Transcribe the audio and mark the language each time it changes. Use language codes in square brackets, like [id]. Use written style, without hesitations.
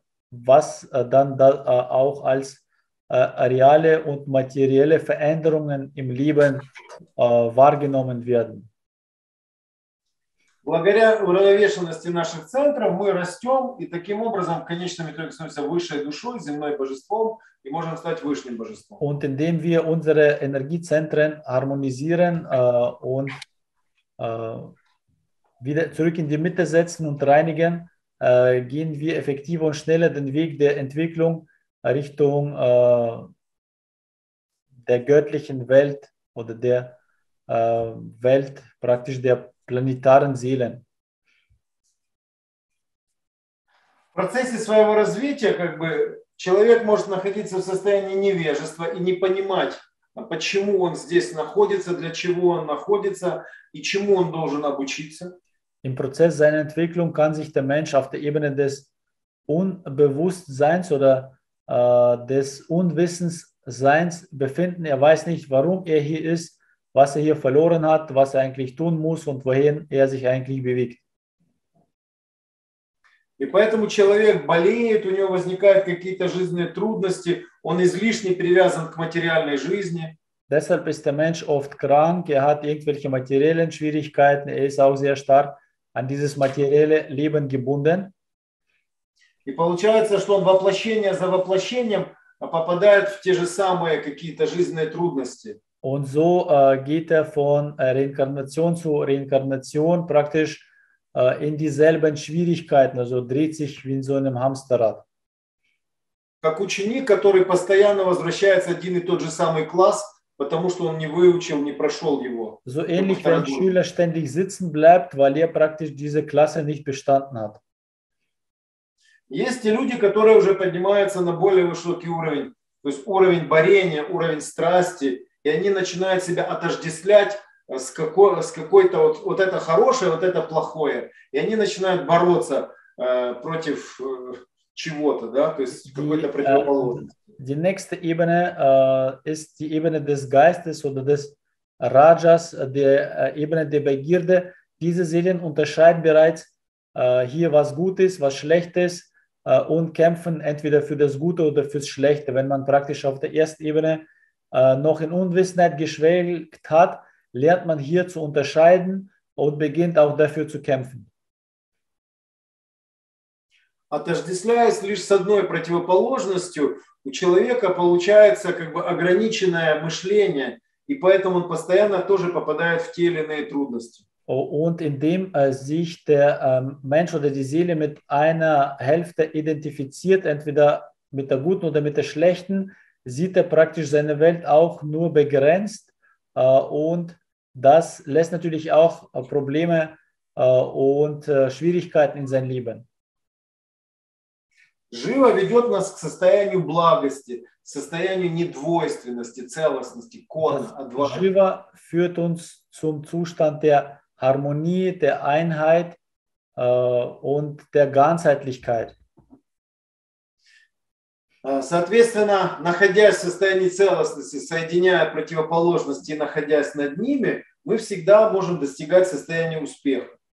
[de] Was dann da auch als reale und materielle Veränderungen im Leben wahrgenommen werden. [ru] Благодаря уравновешенности наших центров мы растем и таким образом в конечном итоге становимся высшей душой, земной божеством и можем стать высшим божеством. [de] Und indem wir unsere Energiezentren harmonisieren und wieder zurück in die Mitte setzen und reinigen, gehen wir effektiver und schneller den Weg der Entwicklung Richtung der göttlichen Welt oder der Welt praktisch der planetaren Seelen. [ru] В процессе своего развития как бы человек может находиться в состоянии невежества и не понимать, почему он здесь находится, для чего он находится и чему он должен обучиться. [de] Im Prozess seiner Entwicklung kann sich der Mensch auf der Ebene des Unbewusstseins oder des Unwissensseins befinden. Er weiß nicht, warum er hier ist was er hier verloren hat, was er eigentlich tun muss und wohin er sich eigentlich bewegt. [ru] И поэтому человек болеет, у него возникают какие-то жизненные трудности, он излишне привязан к материальной жизни. [de] Deshalb ist der Mensch oft krank, er hat irgendwelche materiellen Schwierigkeiten, er ist auch sehr stark an dieses materielle Leben gebunden. [ru] И получается, что он воплощение за воплощением попадает в те же самые какие-то жизненные трудности. [de] Und so geht er von Reinkarnation zu Reinkarnation praktisch in dieselben Schwierigkeiten, also dreht sich wie in so einem Hamsterrad. [ru] Как ученик, который постоянно возвращается один и тот же самый класс, потому что он не выучил, не прошел его. [de] So ähnlich, wenn ein Schüler ständig sitzen bleibt, weil er praktisch diese Klasse nicht bestanden hat. [ru] Есть и люди, которые уже поднимаются на более высокий уровень, то есть уровень борения, уровень страсти, и они начинают себя отождествлять с какой-то вот это хорошее, вот это плохое, и они начинают бороться против чего-то, да, то есть какой-то противоположности. [de] Die nächste Ebene ist die Ebene des Geistes oder des Rajas, der Ebene der Begierde. Diese Seelen unterscheiden bereits hier, was gut ist, was schlecht ist und kämpfen entweder für das Gute oder fürs Schlechte. Wenn man praktisch auf der ersten Ebene noch in Unwissenheit geschwelgt hat, lernt man hier zu unterscheiden und beginnt auch dafür zu kämpfen. [ru] Отождествляясь лишь с одной противоположностью, у человека получается как бы ограниченное мышление, и поэтому он постоянно тоже попадает в те или иные трудности. [de] Und indem sich der Mensch oder die Seele mit einer Hälfte identifiziert, entweder mit der guten oder mit der schlechten, sieht praktisch seine Welt auch nur begrenzt. Und das lässt natürlich auch Probleme und Schwierigkeiten in sein Leben. [ru] Живо ведет нас к состоянию благости, к состоянию недвойственности, целостности, кона, адвайты. [de] Живо führt uns zum Zustand der Harmonie, der Einheit und der Ganzheitlichkeit. [ru] Соответственно, находясь в состоянии целостности, соединяя противоположности и находясь над ними, мы всегда можем достигать состояния успеха.